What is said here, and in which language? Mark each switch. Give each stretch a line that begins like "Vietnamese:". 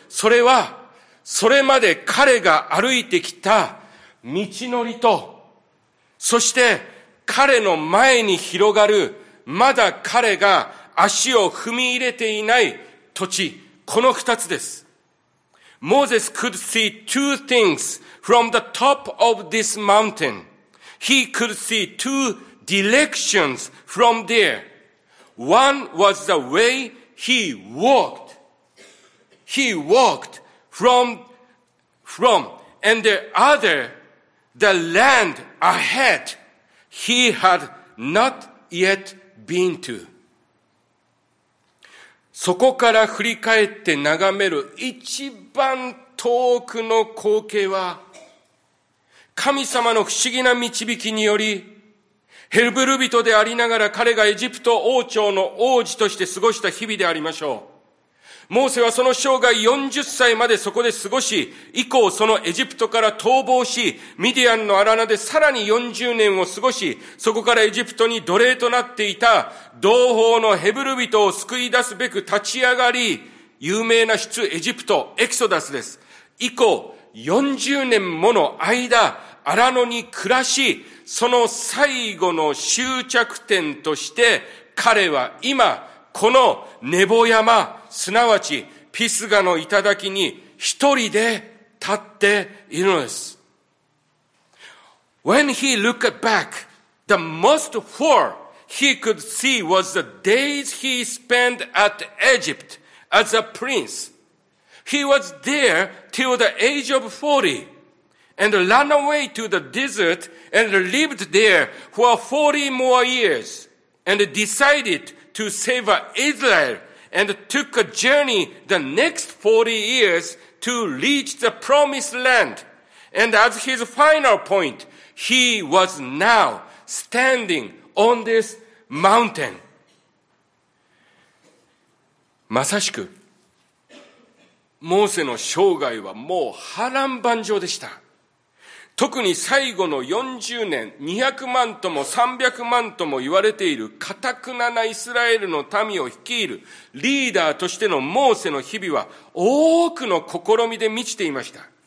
Japanese: それは、それまで彼が歩いてきた道のりと、そして彼の前に広がる、まだ彼が足を踏み入れていない土地、この二つです。
English: Moses could see two things from the top of this mountain. He could see two directions from there. One was the way he walked. He walked from, and the other, the land ahead, he had not yet been to.
Japanese: そこから振り返って眺める一番遠くの光景は、神様の不思議な導きにより、ヘブル人でありながら彼がエジプト王朝の王子として過ごした日々でありましょう。モーセはその生涯40歳までそこで過ごし、以降そのエジプトから逃亡し、ミディアンの荒野でさらに40年を過ごし、そこからエジプトに奴隷となっていた同胞のヘブル人を救い出すべく立ち上がり、有名な出エジプト、エクソダスです。以降40年もの間、荒野に暮らし、その最後の終着点として、彼は今、このネボ山、すなわちピスガの頂きに一人で立っているのです。
English: When he looked back, the most horror he could see was the days he spent at Egypt as a prince. He was there till the age of 40 and ran away to the desert and lived there for 40 more years and decided to save Israel and took a journey the next 40 years to reach the promised land. And as his final point,He was now standing on this mountain.
Japanese: まさしく、モーセの生涯はもう波乱万丈でした。特に最後の40年、200万とも300万とも言われている堅くななイスラエルの民を率いるリーダーとしてのモーセの日々は多くの試みで満ちていました。